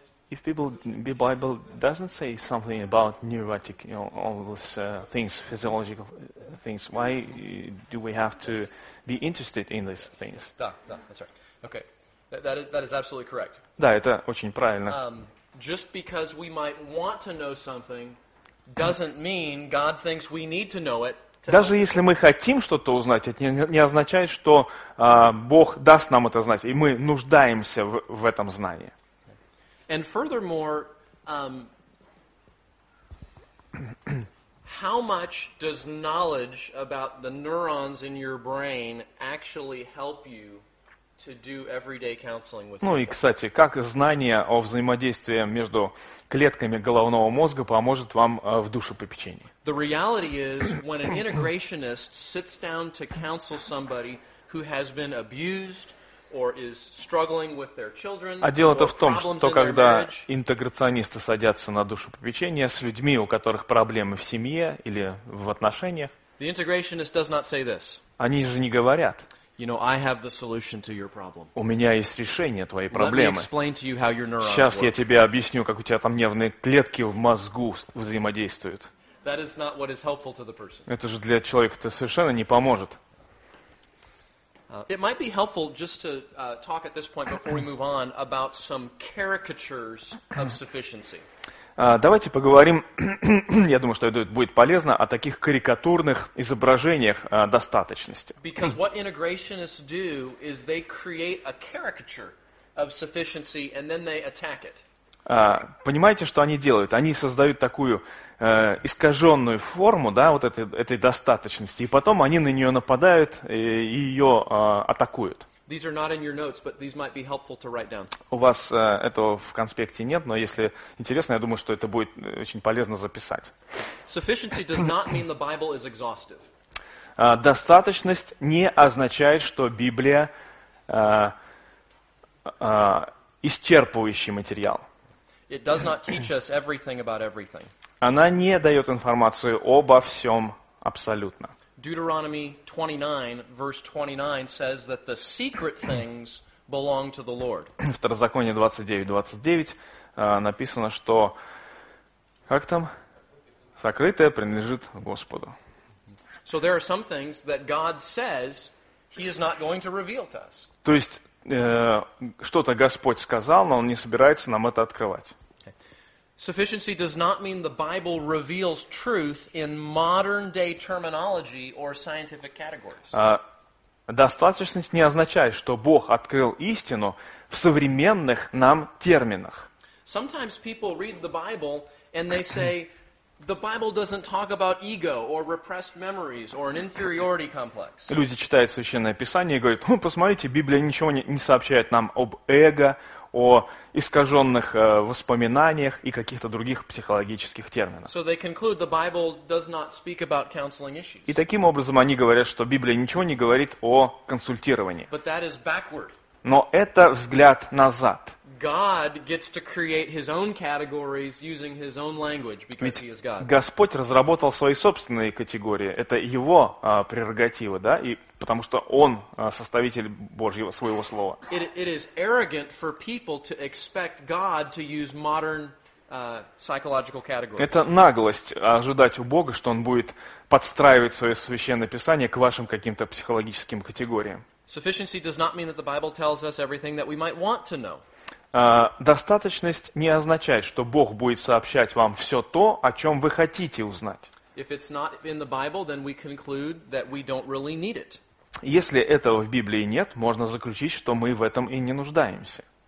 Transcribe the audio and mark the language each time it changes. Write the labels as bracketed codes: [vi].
[en] If people, the Bible doesn't say something about neurotic, you know, all those things, physiological things, why do we have to be interested in these things? [ru] Да, да, [en] that's right. Okay, that is absolutely correct. [ru] Да, это очень правильно. [en] Just because we might want to know something doesn't mean God thinks we need to know it. [ru] Даже если мы хотим что-то узнать, это не означает, что Бог даст нам это знать, и мы нуждаемся в этом знании. [en] And furthermore, how much does knowledge about the neurons in your brain actually help you to do everyday counseling with [ru] people? Ну и, кстати, как знание о взаимодействии между клетками головного мозга поможет вам в душепопечении? [en] The reality is, when an integrationist sits down to counsel somebody who has been abused, or is struggling with their children, [ru] а дело-то в том, что когда интеграционисты садятся на душепопечение с людьми, у которых проблемы в семье или в отношениях, [en] the integrationist does not say this. [ru] Они же не говорят. [en] You know, I have the solution to your problem. [ru] У меня есть решение твоей проблемы. [en] Let me explain to you how your neurons [ru] Сейчас [en] work. [ru] Я тебе объясню, как у тебя там нервные клетки в мозгу взаимодействуют. [en] That is not what is helpful to the person. [ru] Это же для человека-то совершенно не поможет. [en] It might be helpful just to talk at this point before we move on about some caricatures of sufficiency. [ru] Давайте поговорим, я думаю, что это будет полезно, о таких карикатурных изображениях достаточности. [en] Because what integrationists do is they create a caricature of sufficiency and then they attack it. [ru] Понимаете, что они делают? Они создают такую искаженную форму, да, вот этой достаточности, и потом они на нее нападают и ее атакуют. [en] These are not in your notes, but these might be helpful to write down. [ru] У вас этого в конспекте нет, но если интересно, я думаю, что это будет очень полезно записать. [en] Sufficiency does not mean the Bible is exhaustive. [ru] Достаточность не означает, что Библия исчерпывающий материал. [en] It does not teach us everything about everything. [ru] Она не дает информацию обо всем абсолютно. [en] Deuteronomy 29, verse 29 says that the secret things belong to the Lord. [ru] В Второзаконии 29:29 написано, что как там? Сокрытое принадлежит Господу. [en] So there are some things that God says he is not going to reveal to us. [ru] То есть что-то Господь сказал, но он не собирается нам это открывать. [en] Sufficiency does not mean the Bible reveals truth in modern-day terminology or scientific categories. [ru] Достаточность не означает, что Бог открыл истину в современных нам терминах. [en] Sometimes people read the Bible and they say the Bible doesn't talk about ego or repressed memories or an inferiority complex. [ru] Люди читают Священное Писание и говорят: посмотрите, Библия ничего не сообщает нам об эго, о искаженных воспоминаниях и каких-то других психологических терминах. [en] So [ru] и таким образом они говорят, что Библия ничего не говорит о консультировании. [en] But that is backward. [ru] Но это взгляд назад. [en] God gets to create his own categories using his own language because he is God. [ru] Господь разработал свои собственные категории. Это его прерогатива, да, и потому что он составитель Божьего своего слова. [en] It is arrogant for people to expect God to use modern psychological categories. [ru] Это наглость ожидать у Бога, что он будет подстраивать свое священное писание к вашим каким-то психологическим категориям. [en] Sufficiency does not mean that the Bible tells us everything that we might want to know. [ru] Достаточность не означает, что Бог будет сообщать вам все то, о чем вы хотите узнать. Если этого в Библии нет, можно заключить, что мы в этом и не нуждаемся.